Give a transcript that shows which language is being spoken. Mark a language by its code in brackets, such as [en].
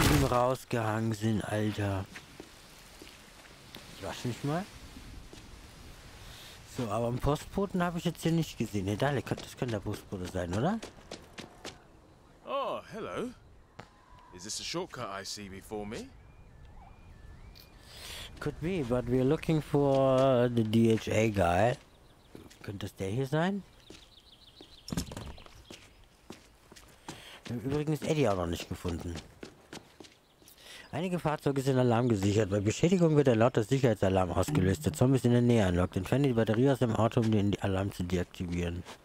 [de] Rausgehangen sind, Alter. Ich wasche mich mal. So, aber einen Postboten habe ich jetzt hier nicht gesehen. Ne, das könnte der Postbote sein, oder? [en] Oh, hello. Is this a shortcut I see before me? Could be, but we're looking for the DHA guy. [de] Könnte das der hier sein? Wir haben übrigens Eddie auch noch nicht gefunden. Einige Fahrzeuge sind alarmgesichert. Bei Beschädigung wird ein lauter Sicherheitsalarm ausgelöst. Der Zombie ist in der Nähe anlockt. Entferne die Batterie aus dem Auto, um den Alarm zu deaktivieren.